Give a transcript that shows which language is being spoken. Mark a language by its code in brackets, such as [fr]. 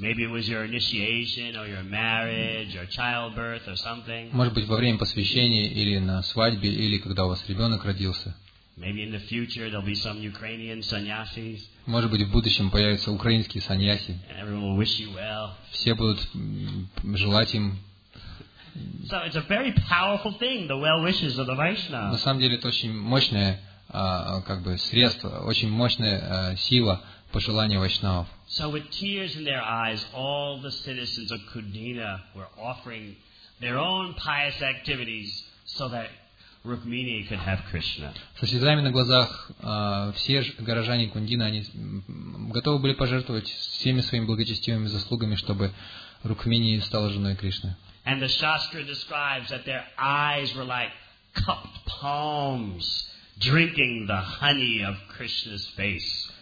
[en] Maybe it was your initiation or your marriage or childbirth or something. [ru] Может быть, во время посвящения или на свадьбе или когда у вас ребенок родился. [en] Maybe in the future there'll be some Ukrainian sannyasis. [ru] Может быть, в будущем появятся украинские саньяси. [en] Everyone will wish you well. [ru] Все будут желать им. [en] So it's a very powerful thing, the well wishes of the Vaishnava. [ru] На самом деле, это очень мощное. Как бы средство, очень мощная сила пожелания вайшнавов. [en] So with tears in their eyes, all the citizens of Kudina were offering their own pious activities so that Rukmini could have Krishna. [ru] Со слезами на глазах все горожане Кундины они готовы были пожертвовать всеми своими благочестивыми заслугами, чтобы Рукмини стала женой Кришны. [en] And the Shastra describes that their eyes were like cupped palms drinking the honey of Krishna's face.